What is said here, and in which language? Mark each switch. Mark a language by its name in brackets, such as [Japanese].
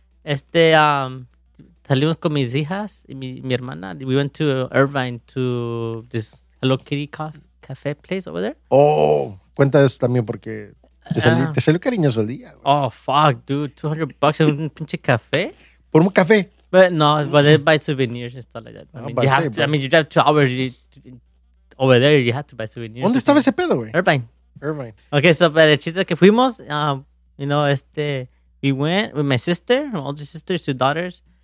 [Spanish] Ese día, salimos con mis hijas y mi hermana. [English] We went to Irvine to this Hello Kitty coffee. Cafe place over there. [Spanish] Oh, cuenta eso también porque te salió cariñoso el día. [English] Bro. Oh, fuck, dude. [Spanish] $200 en un pinche café. Por un café. [English] But no, but they buy souvenirs and stuff like that. You drive 2 hours over there, you have to buy souvenirs. [Spanish] ¿Dónde estaba ese pedo, güey? [English] Irvine. Okay, so, [Spanish] pero el chiste que fuimos, [English] you know, we went with my sister, my older sister, 2 daughters.